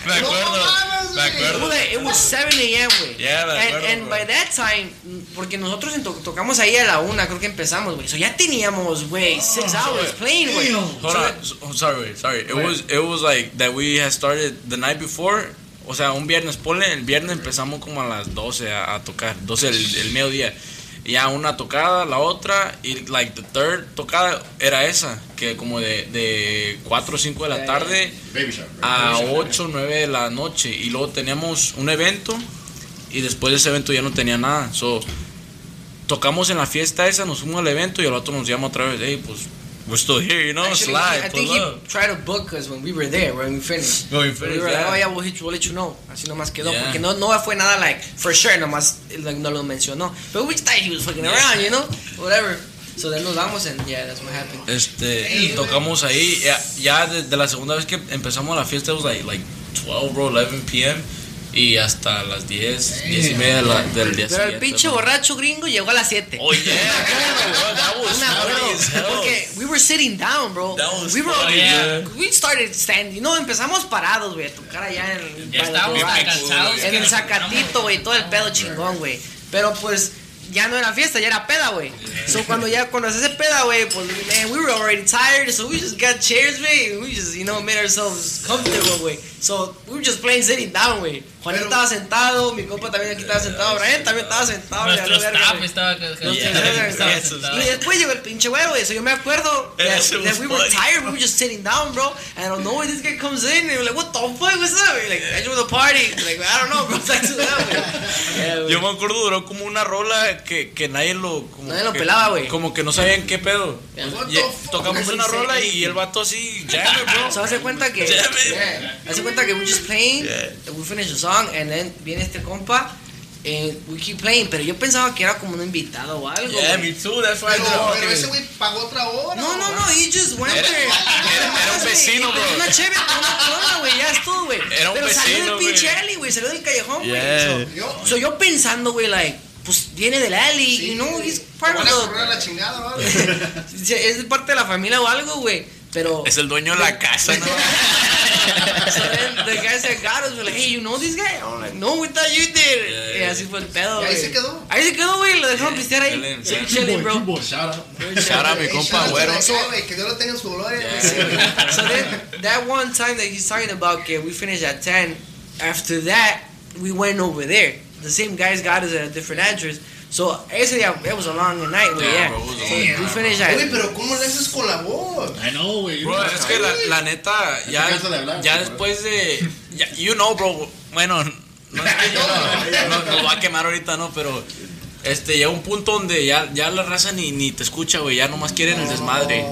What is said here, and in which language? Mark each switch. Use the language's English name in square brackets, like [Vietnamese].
[Spanish] Me acuerdo. [English] It was 7 a.m., güey. [Spanish] Yeah, me acuerdo. [English] And by that time, [Spanish] porque nosotros tocamos ahí a la una, creo que empezamos, güey. So ya teníamos, güey, [English] 6 hours playing, [Spanish] güey. [English] Hold on, sorry. It was like that we had started the night before. [Spanish] O sea, un viernes, ponle, el viernes empezamos como a las 12 a tocar, 12 el mediodía. Y ya una tocada, la otra, y [English] like the third [Spanish] tocada era esa, que como de 4 o 5 de la tarde a 8 o 9 de la noche. Y luego teníamos un evento, y después de ese evento ya no tenía nada. So, tocamos en la fiesta esa, nos fuimos al evento, y el otro nos llama otra vez, hey, pues... [English] We're still here, you know. Actually, slide, I think he tried to book us when we were there, when we finished. When we finished, oh yeah, we'll let you know. [Spanish] Así nomás quedó, [English] yeah. [Spanish] Porque no fue nada [English] like for sure, [Spanish] nomás like no lo mencionó. [English] But we thought he was fucking around, you know, whatever. So then [Spanish] nos vamos [English] and yeah, that's what happened. [Spanish] Tocamos ahí ya de la segunda vez que empezamos la fiesta, [English] it was like 12, bro, 11 p.m. [Spanish] y hasta las 10, 10 y media del día siguiente. Pero el pinche borracho gringo llegó a las 7. [English] Oh, yeah. That was funny as hell. We were sitting down, bro. That was funny, yeah. We started standing. [Spanish] No, empezamos parados, güey, a tocar allá en el Zacatito, güey, todo el pedo chingón, güey. Pero pues... Ya no era fiesta, ya era peda, güey. So, cuando se hace peda, güey, pues, man, [English] we were already tired. So, we just got chairs, güey. We just, you know, made ourselves comfortable, güey. So, we were just playing sitting down, güey. [Spanish] Juanito estaba sentado. Mi compa también aquí estaba sentado. Brian también estaba sentado. Nuestro staff estaba sentado. Y después llegó el pinche güey, güey. So, yo me acuerdo [English] that we were tired. We were just sitting down, bro. And I don't know, this guy comes in. And we're like, what the fuck, what's up? Like, I just want to party. Like, I don't know, bro. Thanks for that, [Spanish] güey. Yo me acuerdo, duró como una rola... Que nadie lo... Como nadie lo que, pelaba, güey. Como que no sabían qué pedo. Tocamos una rola y el vato así... Jammer, bro. [English] So, [Spanish] hace cuenta que... Hace cuenta que [English] we're just playing. Yeah. We finish the song. And then [Spanish] viene este compa. [English] And we keep playing. [Spanish] Pero yo pensaba que era como un invitado o algo. [English] Yeah, me too. That's why [Spanish] pero ese güey pagó otra hora. [English] No. He just went there. [Spanish] Era un vecino, bro. Una chévere, una cola, güey. Ya es todo, güey. Era un vecino, pero salió del pinche alley, güey. Salió del callejón, güey. Yeah. So, yo pensando, güey, like... Pues viene del alley, sí, [English] you know, he's part of the... [Spanish] Es parte de la familia o algo, güey, pero... Es el dueño de la casa, ¿no? [English] So then the guy said, God, I was like, hey, you know this guy? I'm like, no, we thought you did. [Spanish] Yeah, así fue el pedo, güey. Ahí se quedó, güey, lo dejaron pistear ahí. [English] Chilling, bro. Shout out. Shout out, [Spanish] mi compa, güero. Que Dios lo tenga en su gloria. [English] So then, that one time that he's talking about, que we finished at 10, after that, we went over there. The same guys got us at a different address. So, actually, it was a long night, but yeah. Bro, so, yeah, we finished that. [Spanish] Wait, pero ¿cómo le haces con la voz? [English] I know, wey. [Spanish] Bro, es que la neta, ya, de hablar, ya después de... Ya, you know, bro. Bueno, no es que yo no va a quemar ahorita, no, pero... ya un punto donde ya la raza ni te escucha, güey. Ya nomás quieren el desmadre.